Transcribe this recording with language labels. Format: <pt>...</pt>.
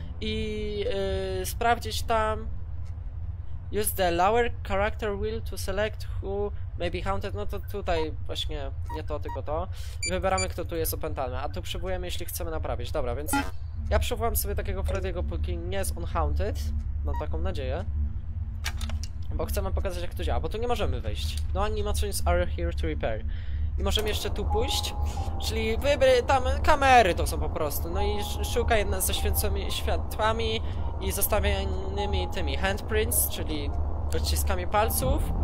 <pl>I sprawdzić tam,</pl> <en>use the lower character wheel to select who may be haunted,</en> <pl>no to tutaj właśnie nie to, tylko to. I wybieramy, kto tu jest opętany, a tu przywołujemy, jeśli chcemy naprawić. Dobra, więc ja przywołam sobie takiego Freddy'ego, póki nie jest on haunted, mam taką nadzieję. Bo chcemy pokazać, jak to działa, bo tu nie możemy wejść.</pl> <en>No animatronics are here to repair.</en> <pl>I możemy jeszcze tu pójść. Czyli tam kamery to są po prostu. No i szukaj nas ze święconymi światłami i zostawionymi tymi handprints, czyli odciskami palców.</pl>